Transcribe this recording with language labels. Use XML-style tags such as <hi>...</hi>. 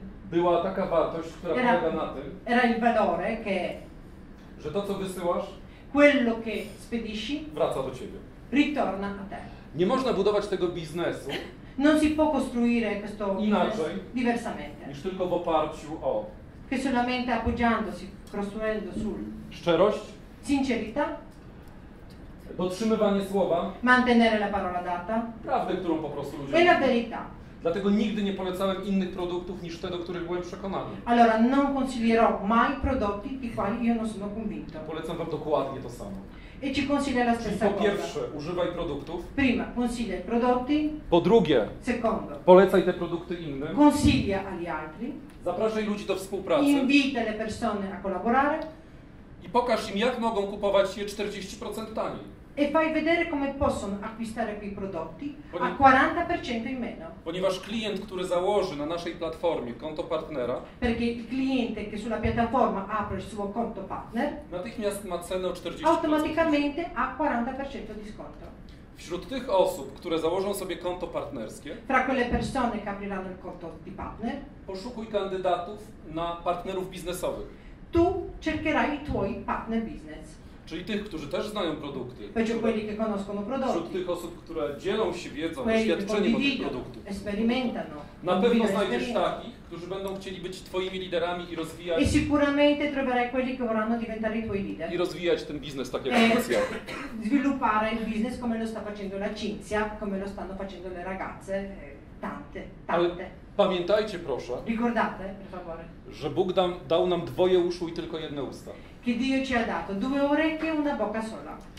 <pl>Była taka wartość, która polega na tym.</pl> <it>Era il valore che.</it> <pl>Że to, co wysyłasz.</pl> <it>Quello che spedisci</it> <pl>wraca do ciebie.</pl> <it>Ritorna a te.</it> <pl>Nie można budować tego biznesu.</pl> <it>Non si può costruire questo</it> <pl>inaczej,</pl> <it>diversamente.</it> <pl>Niż tylko w oparciu o.</pl> <it>Che solamente appoggiandosi, costruendo sul.</it> <pl>Szczerość.</pl> <it>Sincerità.</it> <pl>Dotrzymywanie słowa.</pl> <it>Mantenere la parola data.</it> <pl>Prawdę, którą po prostu ludzie.</pl> <it>E la verità.</it> <pl>Dlatego nigdy nie polecałem innych produktów niż te, do których byłem przekonany.</pl> <it>Allora non consiglierò mai prodotti di quali io non sono convinto.</it> <pl>Polecam wam dokładnie to samo.</pl> <it>E ci consiglio la stessa cosa.</it> <pl>Po pierwsze, używaj produktów.</pl> <it>Prima, consiglia i prodotti.</it> <pl>Po drugie,</pl> <it>secondo,</it> <pl>polecaj te produkty innym.</pl> <it>Consiglia agli altri.</it> <pl>Zapraszaj ludzi do współpracy.</pl> <it>Invita le persone a collaborare.</it> <pl>I pokaż im, jak mogą kupować je 40% taniej.</pl> <it>E fai vedere come possono acquistare quei prodotti a 40% in meno.</it> <pl>Ponieważ klient, który założy na naszej platformie konto partnera,</pl> <it>perché il cliente che sulla piattaforma apre il suo conto partner,</it> <pl>natychmiast ma cenę o 40%.</pl> <it>Automaticamente ha 40% di sconto.</it> <pl>Wśród tych osób, które założą sobie konto partnerskie,</pl> <it>fra quelle persone che apriranno il conto di partner,</it> <pl>poszukuj kandydatów na partnerów biznesowych.</pl> <it>Tu cercherai i tuoi partner business.</it> <pl>Czyli tych, którzy też znają produkty.</pl> <it>Quelli che conoscono prodotti.</it> <pl>Wśród tych osób, które dzielą się wiedzą, doświadczeniem od tych produktów.</pl> <it>Esperimentano.</it> <pl>Na pewno znajdziesz takich, którzy będą chcieli być twoimi liderami i rozwijać.</pl> <it>E sicuramente troverai quelli che vorranno diventare i tuoi leader.</it> <pl>I rozwijać ten biznes tak jak Cinzia.</pl> <it>Sviluppare il business come lo sta facendo la Cinzia, come lo stanno facendo le ragazze, tante.</it> <pl>Pamiętajcie proszę.</pl> <it>Ricordate, per favore.</it> <pl>Że Bóg dał nam dwoje uszu i tylko jedne usta.</pl> <it>Che Dio ci ha dato due orecchie e una bocca sola.</it>